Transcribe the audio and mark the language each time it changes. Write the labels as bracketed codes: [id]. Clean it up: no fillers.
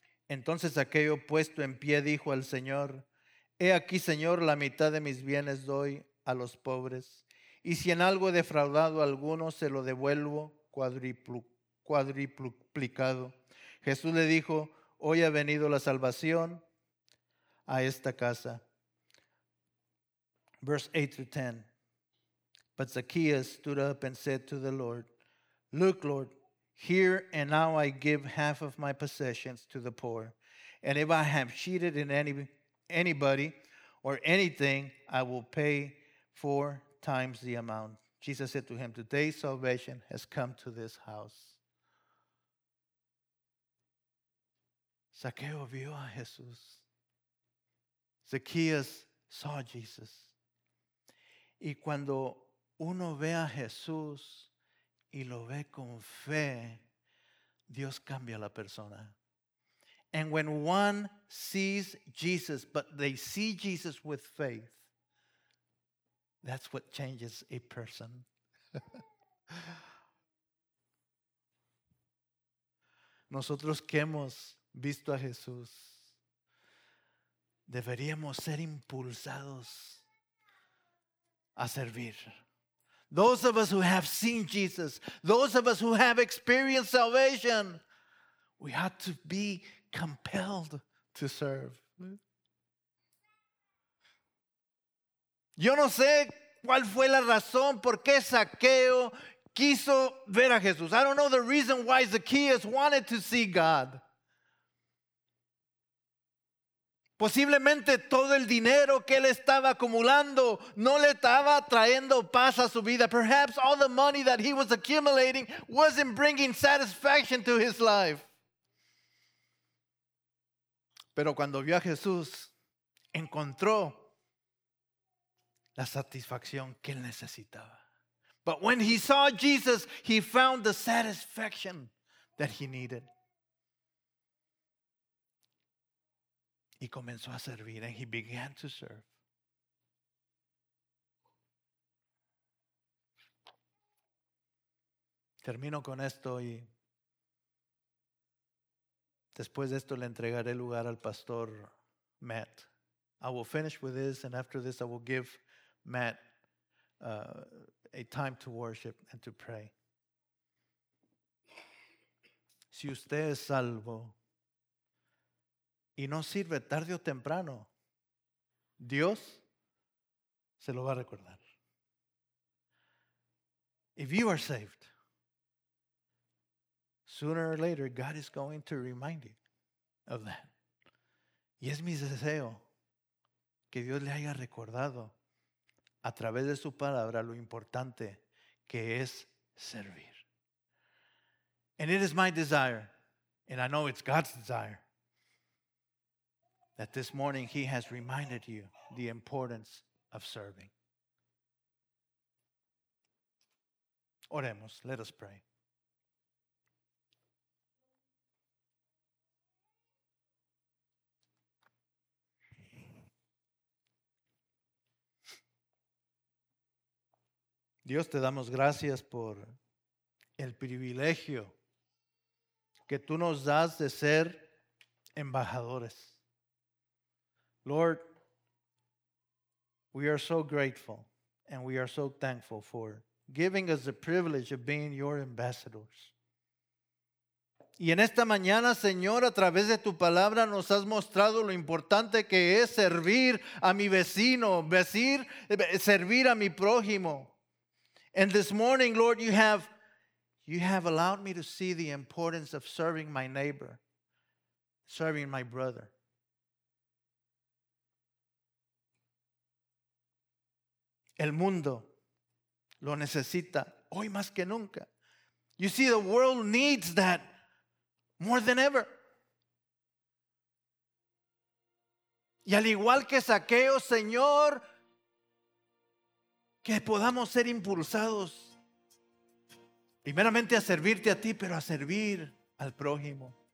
[es] Entonces aquello puesto en pie dijo al Señor, he aquí, Señor, la mitad de mis bienes doy a los pobres, y si en algo he defraudado a alguno, se lo devuelvo cuadruplicado. Jesús le dijo, hoy ha venido la salvación a esta casa. [en] Verse 8 through 10. But Zacchaeus stood up and said to the Lord, look, Lord, here and now I give half of my possessions to the poor. And if I have cheated in anybody or anything, I will pay four times the amount. Jesus said to him, today salvation has come to this house. [es] Zacchaeus vio a Jesús. [en] Zacchaeus saw Jesus. [es] Y cuando uno ve a Jesús y lo ve con fe, Dios cambia la persona. [en] And when one sees Jesus, but they see Jesus with faith, That's what changes a person. [es] Nosotros que hemos visto a Jesús, deberíamos ser impulsados a servir. [en] Those of us who have seen Jesus, those of us who have experienced salvation, we have to be compelled to serve. [es] Yo no sé cuál fue la razón por qué Zaqueo quiso ver a Jesús. [en] I don't know the reason why Zacchaeus wanted to see God. [es] Posiblemente todo el dinero que él estaba acumulando no le estaba trayendo paz a su vida. [en] Perhaps all the money that he was accumulating wasn't bringing satisfaction to his life. [es] Pero cuando vio a Jesús, encontró la satisfacción que él necesitaba. [en] But when he saw Jesus, he found the satisfaction that he needed. [es] Y comenzó a servir, [en] and he began to serve. [es] Termino con esto y después de esto le entregaré lugar al pastor Matt. [en] I will finish with this, and after this I will give Matt a time to worship and to pray. [es] Si usted es salvo y no sirve tarde o temprano, Dios se lo va a recordar. [en] If you are saved, sooner or later, God is going to remind you of that. [es] Y es mi deseo que Dios le haya recordado a través de su palabra lo importante que es servir. [en] And it is my desire, and I know it's God's desire, that this morning he has reminded you the importance of serving. [es] Oremos, [en] let us pray. [es] Dios, te damos gracias por el privilegio que tú nos das de ser embajadores. [en] Lord, we are so grateful and we are so thankful for giving us the privilege of being your ambassadors. [es] Y en esta mañana, Señor, a través de tu palabra nos has mostrado lo importante que es servir a mi vecino, servir a mi prójimo. [en] And this morning, Lord, you have allowed me to see the importance of serving my neighbor, serving my brother. [es] El mundo lo necesita hoy más que nunca. [en] You see, the world needs that more than ever. [es] Y al igual que Zaqueo, Señor, que podamos ser impulsados primeramente a servirte a ti, pero a servir al prójimo.